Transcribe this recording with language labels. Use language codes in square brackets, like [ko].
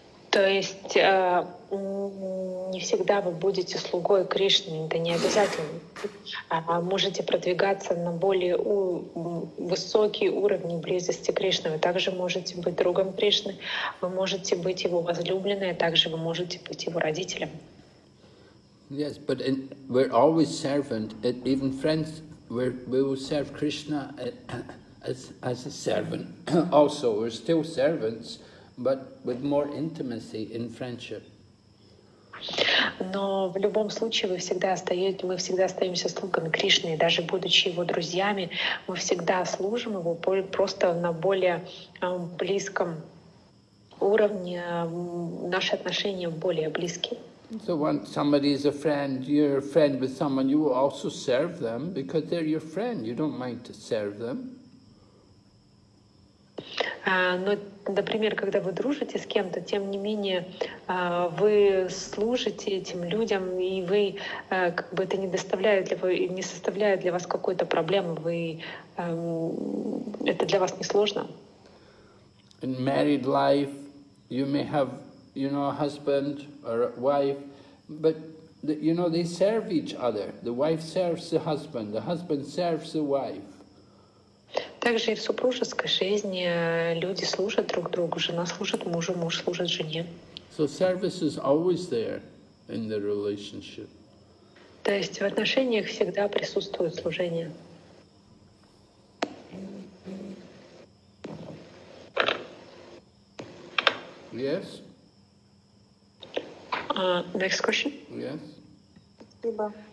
[ru] То есть не всегда вы будете слугой Кришны, это не обязательно. Можете продвигаться на более высокий уровень близости к Кришне. Вы также можете быть другом Кришны, вы можете быть его возлюбленной, также вы можете быть его родителем. [en] Yes, but in, we're always servant. It, even friends, we will serve Krishna as a servant. Also, we're still servants. But with more intimacy in friendship. [ru] Но в любом случае мы всегда остаемся слугами Кришны, и даже будучи его друзьями, мы всегда служим его просто на более близком уровне. Наши отношения более близкие. [en] So when somebody is a friend, you're a friend with someone, you will also serve them because they're your friend. You don't mind to serve them. [ru] Но, например, когда вы дружите с кем-то, тем не менее, вы служите этим людям, и вы, как бы это не составляет для вас какой-то проблемы, вы, это для вас не сложно. [en] In married life, you may have, you know, a husband or a wife, but, you know, they serve each other. The wife serves the husband serves the wife. [ru] Также и в супружеской жизни люди служат друг другу, жена служит мужу, муж служит жене. [en] So service is always there in the relationship. [ru] То есть в отношениях всегда присутствует служение. [en] Yes? Next question? Yes. [ru] Спасибо.